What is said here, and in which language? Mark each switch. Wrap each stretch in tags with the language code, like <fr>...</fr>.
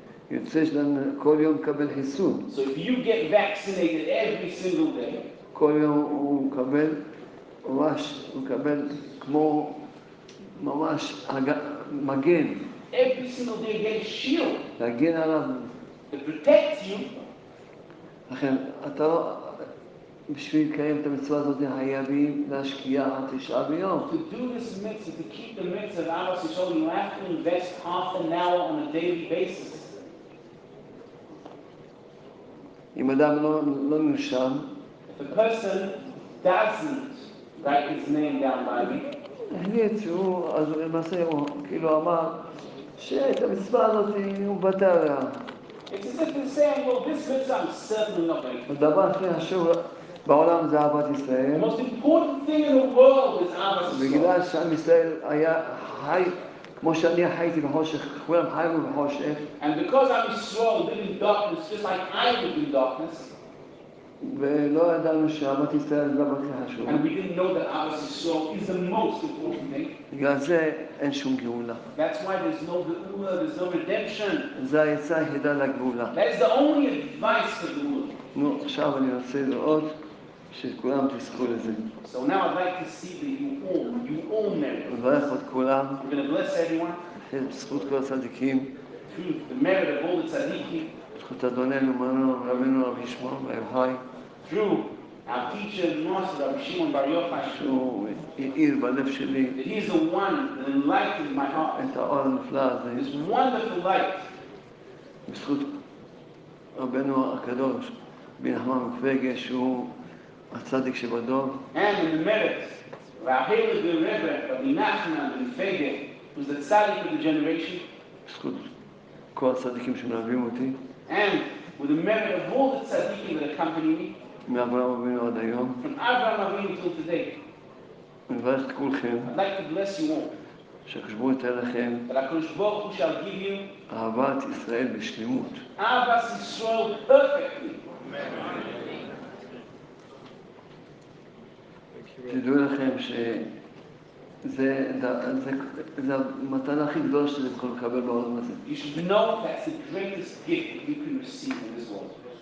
<he>יוצא שלנו כל יום מקבל חיסון.</he> <en>So if you get vaccinated every single day,</en> <he>כל יום הוא מקבל ממש, הוא מקבל כמו ממש מגן.</he> <en>Every single day get a shield.</en> <he>להגן עליו.</he> <en>To protect you.</en> <he>לכן, אתה לא, בשביל לקיים את המצווה הזאת חייבים להשקיע תשעה ביום.</he> <en>To do this mitzvah, to keep the mitzvah of Alas Yisholim, you have to invest half an hour on a daily basis.</en> <he>אם אדם לא נרשם</he> <en>If a person doesn't write his name down by me</en> <he>הניצו, אז הוא למעשה הוא כאילו אמר שאת המצווה הזאת הוא בטל לה</he> <en>It's as if he's saying, well, this mitzvah I'm certainly not going to</en> <he>הדבר הכי חשוב בעולם זה אהבת ישראל</he> <en>The most important thing in the world is אהבת ישראל</en> <he>בגלל שעם ישראל היה חי כמו שאני חייתי בחושך, כולם חייבו בחושך.</he> <en>And because I'm Israel living in darkness, just like I live in darkness.</en> <he>ולא ידענו שאהבת ישראל זה דבר הכי חשוב.</he> <en>And we didn't know that אהבת ישראל is the most important thing.</en> <he>בגלל זה אין שום גאולה.</he> <en>That's why there's no גאולה, there's no redemption.</en> <he>זה העצה היחידה לגאולה.</he> <en>That is the only advice for גאולה.</en> <he>נו, עכשיו אני רוצה לראות שכולם תזכו לזה.</he> <en>So now I'd like to see that you all merit.</en> <he>מברך את כולם.</he> <en>I'm going to bless everyone.</en> <he>בזכות כל הצדיקים.</he> <en>Through the merit of all the tzaddikim.</en> <he>בזכות אדוננו מורנו רבנו רבי שמעון בר יוחאי.</he> <en>Through our teacher and master Rabbi Shimon Bar Yochai.</en> <he>שהוא האיר בלב שלי.</he> <en>That he is the one that enlightened my heart.</en> <he>את האור הנפלא הזה.</he> <en>This wonderful light.</en> <he>בזכות רבנו הקדוש בן נחמן מפגש שהוא הצדיק שבדור.</he> <en>And in the merits,</en> <he>והחיל את הרבה,</he> <en>רבי נחמן בן פגה, who's the tzaddik of the generation.</en> <he>בזכות כל הצדיקים שמלווים אותי.</he> <en>And with the merit of all the tzaddikim that accompany me.</en> <he>מאברהם אבינו עד היום.</he> <en>From Abraham Avinu until today.</en> <he>אני מברך את כולכם.</he> <en>I'd like to bless you all.</en> <he>שהקשבור יתאר לכם.</he> <en>That הקדוש ברוך הוא shall give you.</en> <he>אהבת ישראל בשלמות.</he> <en>אהבת ישראל perfectly. Amen.</en> <he>תדעו לכם שזה המתנה הכי גדולה שאתם יכולים לקבל בעולם הזה.</he> <en>You should know that's the greatest gift that you can receive in this world.</en>